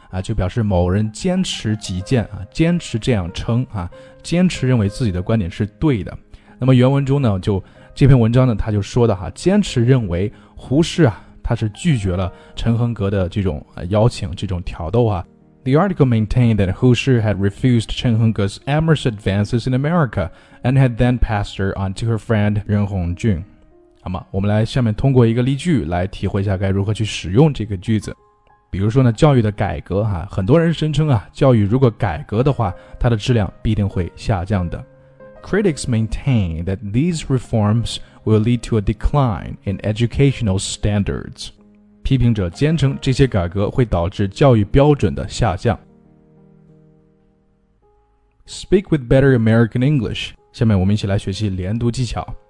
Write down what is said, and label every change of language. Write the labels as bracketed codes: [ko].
[zh] 就表示某人坚持己见啊，坚持这样称啊，坚持认为自己的观点是对的。那么原文中呢，就这篇文章呢，他就说的哈，坚持认为胡适啊，他是拒绝了陈恒格的这种邀请，这种挑逗啊。 [en] The article maintained that Hu Shi had refused Chen Hengge's amorous advances in America and had then passed her on to her friend Ren Hongjun。 [zh] 好吗？我们来下面通过一个例句来体会一下该如何去使用这个句子。比如说呢，教育的改革哈，很多人声称啊，教育如果改革的话，它的质量必定会下降的。 [en] Critics maintain that these reforms will lead to a decline in educational standards. [zh] 批评者坚称这些改革会导致教育标准的下降。 [en] Speak with better American English. [zh] 下面我们一起来学习连读技巧。